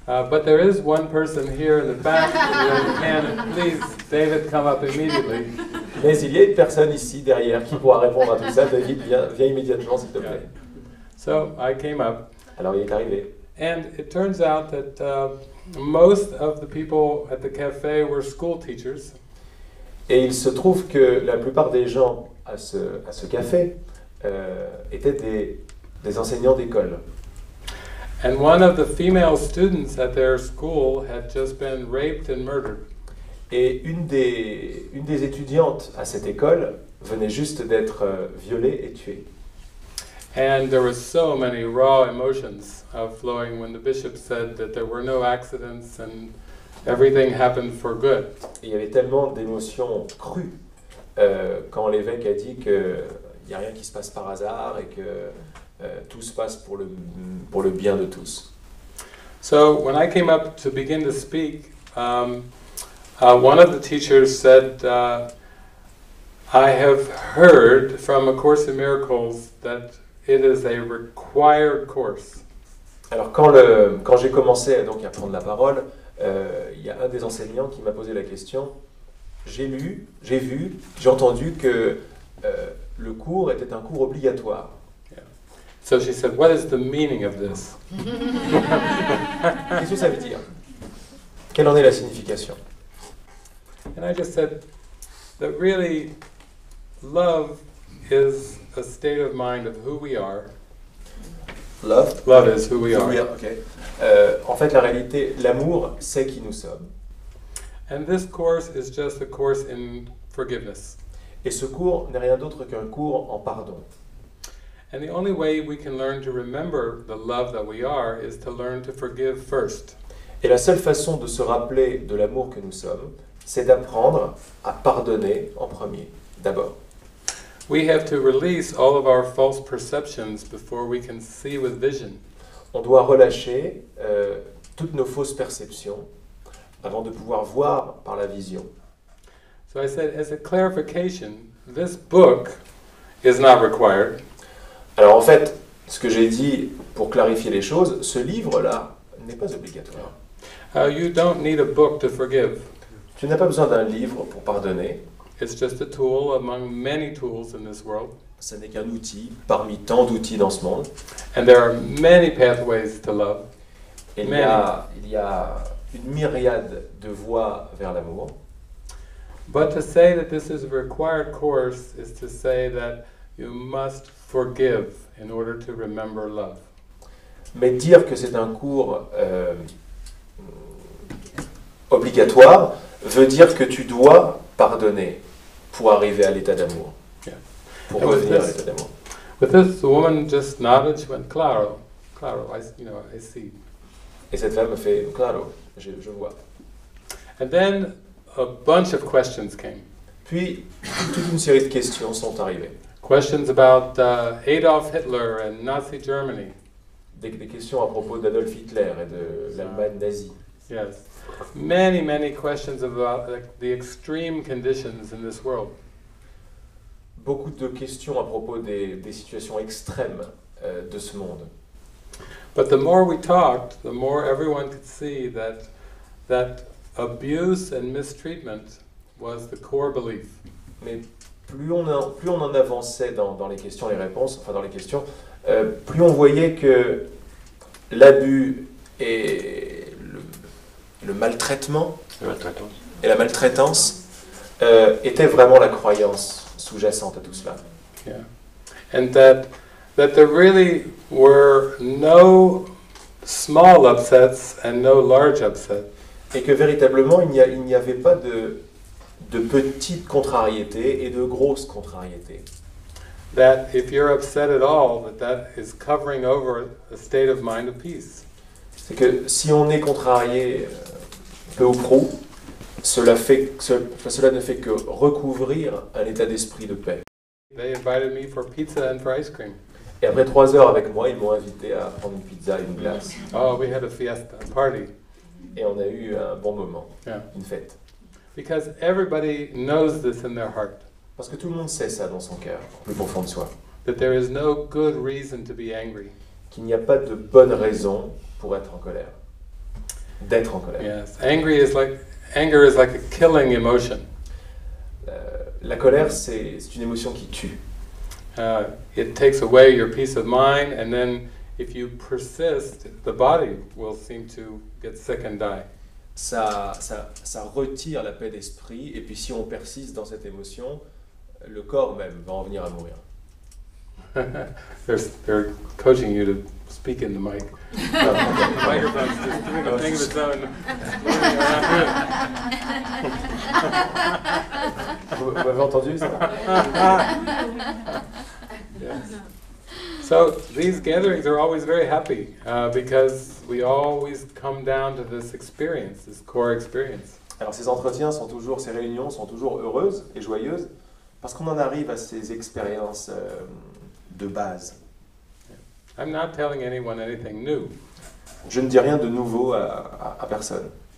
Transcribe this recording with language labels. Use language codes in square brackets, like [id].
[en] But there is one person here in the back who can, please, David, come up immediately. [fr] Mais il y a une personne ici derrière qui pourra répondre à tout ça. David, viens immédiatement, s'il te plaît. Yeah. [en] So I came up. [fr] Alors il est arrivé. [en] And it turns out that most of the people at the cafe were school teachers. [fr] Et il se trouve que la plupart des gens à ce café étaient des enseignants d'école. [en] And one of the female students at their school had just been raped and murdered. [fr] Et une des étudiantes à cette école venait juste d'être violée et tuée. [en] And there were so many raw emotions flowing when the bishop said that there were no accidents and Everything happened for good. [fr] Il y avait tellement d'émotions crues quand l'évêque a dit que il y a rien qui se passe par hasard et que tout se passe pour le bien de tous. [en] So when I came up to begin to speak, one of the teachers said, "I have heard from A Course in Miracles that it is a required course." [fr] Alors quand j'ai commencé donc à prendre la parole, il y a un des enseignants qui m'a posé la question. J'ai lu, j'ai vu, j'ai entendu que le cours était un cours obligatoire. [en] Yeah. So she said, "What is the meaning of this?" [fr] Qu'est-ce que ça veut dire? Quelle en est la signification? [en] And I just said that really, love is a state of mind of who we are. Love is who we are. Okay. [fr] En fait, la réalité, l'amour, c'est qui nous sommes. [en] And this course is just a course in forgiveness. [fr] Et ce cours n'est rien d'autre qu'un cours en pardon. [en] And the only way we can learn to remember the love that we are is to learn to forgive first. [fr] Et la seule façon de se rappeler de l'amour que nous sommes, c'est d'apprendre à pardonner en premier, d'abord. [en] We have to release all of our false perceptions before we can see with vision. [fr] On doit relâcher toutes nos fausses perceptions avant de pouvoir voir par la vision. [en] So I said, as a clarification, this book is not required. [fr] Alors en fait, ce que j'ai dit pour clarifier les choses, ce livre-là n'est pas obligatoire. [en] You don't need a book to forgive. [fr] Tu n'as pas besoin d'un livre pour pardonner. [en] It's just a tool among many tools in this world. [fr] Ce n'est qu'un outil parmi tant d'outils dans ce monde. [en] And there are many pathways to love. [fr] Et il y a une myriade de voies vers l'amour. [en] But to say that this is a required course is to say that you must forgive in order to remember love. [fr] Mais dire que c'est un cours obligatoire veut dire que tu dois pardonner pour arriver à l'état d'amour. [en] Yeah. [fr] Pour revenir à l'état d'amour. [en] With this, the woman just nodded. She went, [es] "Claro, claro. [en] I see." [fr] Et cette femme fait, "Claro, je vois." [en] And then a bunch of questions came. [fr] Puis toute une série de questions sont arrivées. [en] Questions about Adolf Hitler and Nazi Germany. [fr] Des questions à propos d'Adolf Hitler et de l'Allemagne nazie. [en] Yes. Many, many questions about the extreme conditions in this world. [fr] Beaucoup de questions à propos des situations extrêmes de ce monde. [en] But the more we talked, the more everyone could see that abuse and mistreatment was the core belief. [fr] Mais plus on en avançait dans les questions et les réponses, enfin dans les questions, plus on voyait que l'abus et la maltraitance était vraiment la croyance sous-jacente à tout cela. [en] Yeah. And that there really were no small upsets and no large upsets. [fr] Et que véritablement il n'y avait pas de petites contrariétés et de grosses contrariétés. [en] That if you're upset at all, that is covering over a state of mind of peace. [fr] C'est que si on est contrarié peu ou prou, cela ne fait que recouvrir un état d'esprit de paix. [en] They invited me for pizza and for ice cream. [fr] Et après 3 heures avec moi, ils m'ont invité à prendre une pizza et une glace. [en] Oh, we had a fiesta, a party. [fr] Et on a eu un bon moment, [en] yeah. [fr] Une fête. [en] Because everybody knows this in their heart. [fr] Parce que tout le monde sait ça dans son cœur, au plus profond de soi. [en] That there is no good reason to be angry. [fr] Qu'il n'y a pas de bonne raison pour être en colère. D'être en colère. [en] Yes, anger is like a killing emotion. [fr] La colère, c'est une émotion qui tue. [en] It takes away your peace of mind, and then if you persist, the body will seem to get sick and die. [fr] Ça retire la paix d'esprit, et puis si on persiste dans cette émotion, le corps même va en venir à mourir. [en] They're coaching you to speak in the mic. The microphone's just doing a thing of its own. [fr] Vous m'avez entendu ça? [en] Yes. So these gatherings are always very happy because we always come down to this experience, this core experience. [fr] Alors ces entretiens sont toujours, ces réunions sont toujours heureuses et joyeuses parce qu'on en arrive à ces expériences de base. [en] I'm not telling anyone anything new. [fr] Je ne dis rien de nouveau à personne.